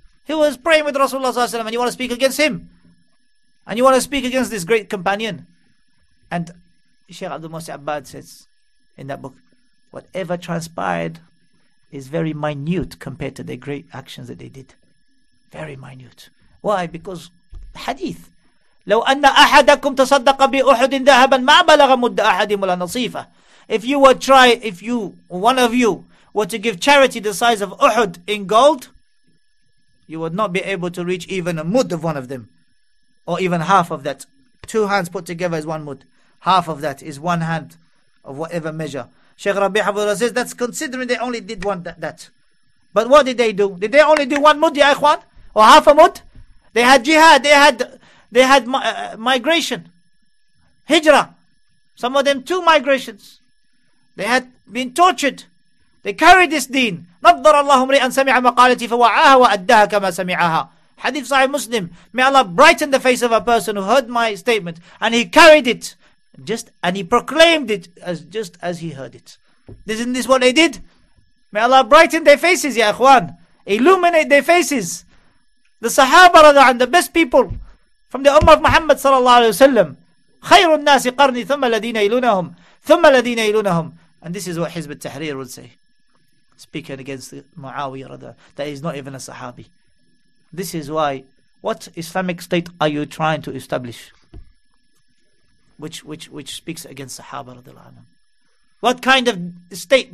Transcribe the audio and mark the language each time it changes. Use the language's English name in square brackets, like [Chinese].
[English] He was praying with Rasulullah sallallahu alayhi wa sallam, and you want to speak against him? And you want to speak against this great companion? And Sheikh Abdul Musa Abbad says in that book, whatever transpired is very minute compared to the great actions that they did. Very minute. Why? Because hadith. [Arabic] لو أن أحدكم تصدق بأحد ذهبا ما بلغ مد أحد ولا نصيفة. [English] If one of you were to give charity the size of Uhud in gold, you would not be able to reach even a mud of one of them, or even half of that. Two hands put together is one mud. Half of that is one hand of whatever measure. Sheikh Rabi Habullah says, that's considering they only did one that. But what did they do? Did they only do one mud, ya ikhwan? Or half a mud? They had jihad. They had migration. Hijrah. Some of them two migrations. They had been tortured. They carried this deen. [Arabic] نظر الله امرئا سمع مقالتي فوعاها وأداها كما سمعها. [English] Hadith Sahih Muslim. May Allah brighten the face of a person who heard my statement and he carried it. He proclaimed it as he heard it. Isn't this what they did? May Allah brighten their faces, ya akhwan. Illuminate their faces. The Sahaba radhiyallahu anhum, the best people from the Ummah of Muhammad sallallahu alayhi wa sallam. [Arabic] خير الناس قرني ثم الذين يلونهم ثم الذين يلونهم. [English] And this is what Hizb al-Tahreer would say. Speaking against Muawiyah radhiyallahu anhu, that is not even a Sahabi. This is why, what Islamic state are you trying to establish? Which speaks against Sahaba radhiyallahu anhum. What kind of state?